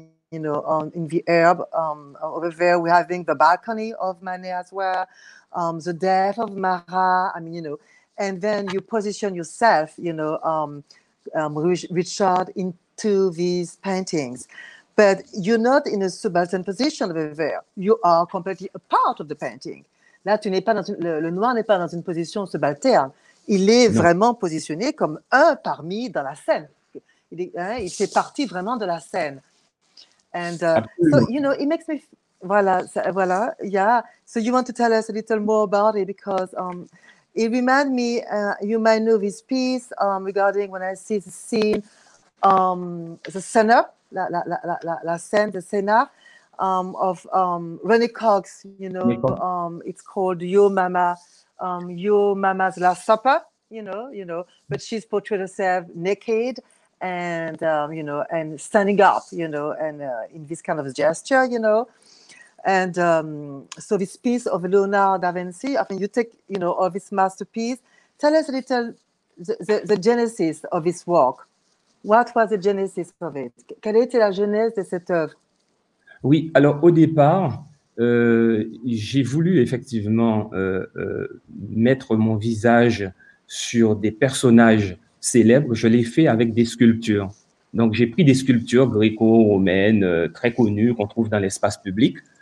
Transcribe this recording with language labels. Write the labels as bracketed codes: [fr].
[en] In the herb over there. We're having the balcony of Manet as well, the death of Marat. And then you position yourself, Richard, into these paintings. But you're not in a subaltern position over there. You are completely a part of the painting. [fr] Là, tu n'es pas dans une, le noir n'est pas dans une position subalterne. Il est non. vraiment positionné comme un parmi dans la scène. Il, est, hein, il fait partie vraiment de la scène. [en] And so, you know, it makes me... [fr] Voilà, voilà, [en] yeah. So you want to tell us a little more about it because it reminds me, you might know this piece regarding when I see the scene, the scène, la scène, the scène of René Cox, you know, it's called Your Mama's Last Supper, you know, but she's portrayed herself naked and, you know, and standing up, you know, and in this kind of gesture, you know. And so this piece of Leonardo da Vinci, I mean, you take, you know, of this masterpiece. Tell us a little the genesis of this work. What was the genesis of it? [fr] Quelle était la genèse de cette œuvre? Oui, alors au départ, j'ai voulu effectivement mettre mon visage sur des personnages célèbres. Je l'ai fait avec des sculptures. Donc j'ai pris des sculptures gréco-romaines très connues qu'on trouve dans l'espace public.